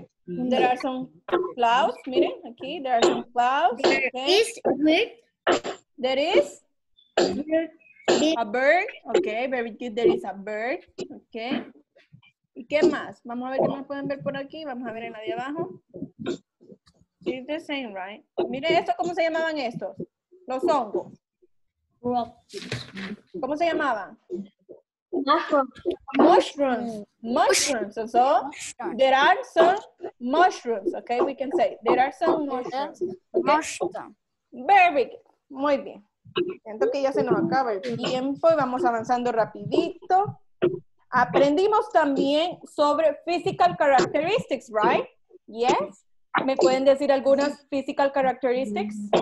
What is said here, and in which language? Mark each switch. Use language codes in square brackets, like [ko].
[en] There are some clouds, [es] miren, aquí, [en] there are some clouds. There is bird. There is a bird, okay, very good, there is a bird, okay. [es] ¿Y qué más? Vamos a ver qué más pueden ver por aquí, vamos a ver en la de abajo. [en] It's the same, right? [es] Miren esto, ¿cómo se llamaban estos? Los hongos. ¿Cómo se llamaban? [en] Mushrooms. So there are some mushrooms. Okay, we can say there are some mushrooms. Okay. Very good. [es] Muy bien. Siento que ya se nos acaba el tiempo y vamos avanzando rapidito. Aprendimos también sobre physical characteristics, right? Yes. ¿Me pueden decir algunas physical characteristics?